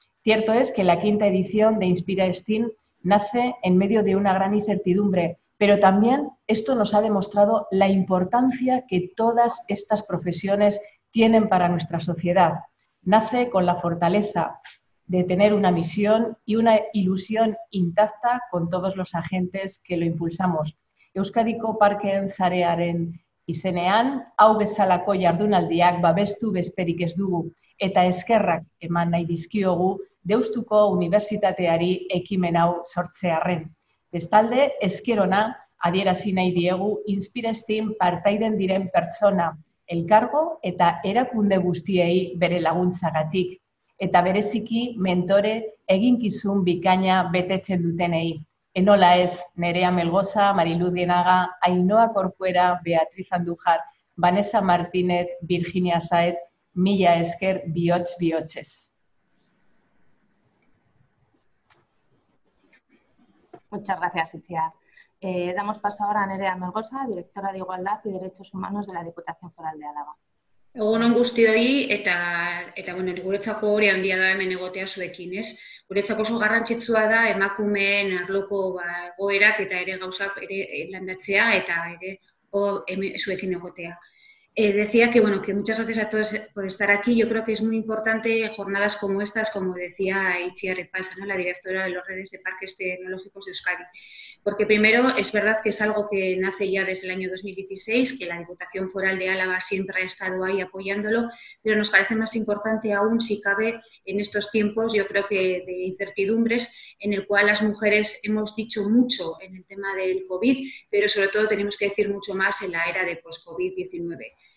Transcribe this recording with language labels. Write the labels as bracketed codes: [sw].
[es] Cierto es que la quinta edición de Inspira STEAM nace en medio de una gran incertidumbre, pero también esto nos ha demostrado la importancia que todas estas profesiones tienen para nuestra sociedad. Nace con la fortaleza de tener una misión y una ilusión intacta con todos los agentes que lo impulsamos. [eu] Euskadiko Parkeen Sarearen izenean, hau bezalako jardunaldiak babestu besterik ez dugu, eta eskerrak eman nahi dizkiogu Deustuko Unibertsitateari ekimen hau sortzearren. Bestalde, eskerona adierazi nahi diegu Inspira STEAM partaiden diren pertsona, elkargo eta erakunde guztiei bere laguntzagatik, eta bereziki mentore eginkizun bikaina betetzen dutenei. Enola ez, Nerea Melgoza, Mariluz Genaga, Ainhoa Corcuera, Beatriz Andújar, Vanessa Martínez, Virginia Saez, mila esker bihotz bihotzez. [es] Muchas gracias, Itziar. Damos paso ahora a Nerea Melgoza, directora de Igualdad y Derechos Humanos de la Diputación Foral de Álava. [eu] Egun on guztioi, eta bueno, guretzako hori handia da hemen egotea zuekin, ez? Guretzako oso garrantzitsua da emakumeen arloko egoerak eta ere gauzak ere landatzea eta ere zuekin egotea. [es] Decía que bueno, que muchas gracias a todos por estar aquí. Yo creo que es muy importante jornadas como estas, como decía Itziar Epalza, ¿no? La directora de los redes de parques tecnológicos de Euskadi. Porque primero, es verdad que es algo que nace ya desde el año 2016, que la Diputación Foral de Álava siempre ha estado ahí apoyándolo, pero nos parece más importante aún si cabe en estos tiempos, yo creo que de incertidumbres, en el cual las mujeres hemos dicho mucho en el tema del COVID, pero sobre todo tenemos que decir mucho más en la era de post-COVID-19.